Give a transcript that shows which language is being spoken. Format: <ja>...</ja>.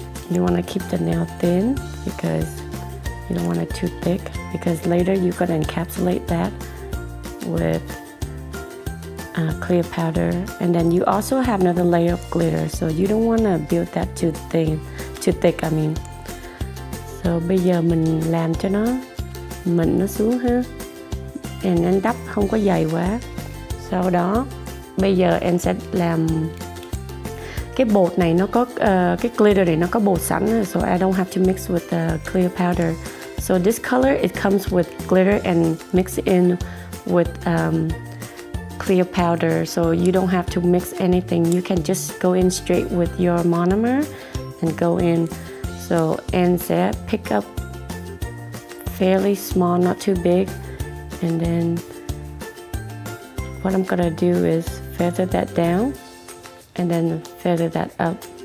<en>You want to keep the nail thin because you don't want it too thick, because later you gotta encapsulate that with clear powder, and then you also have another layer of glitter, so you don't want to build that too thick. I mean,</en> <vi>so bây giờ mình làm cho nó mịn nó xuống ha, and then đắp không có dày quá. Sau đó bây giờ em sẽ làm cái bột này, nó có cái glitter này nó có bột sẵn,</vi> <en>so I don't have to mix with the clear powder. So this color, it comes with glitter and mix in with clear powder, so you don't have to mix anything. You can just go in straight with your monomer and go in. So and set, pick up fairly small, not too big, and then what I'm gonna do is feather that down and then feather that up.</en>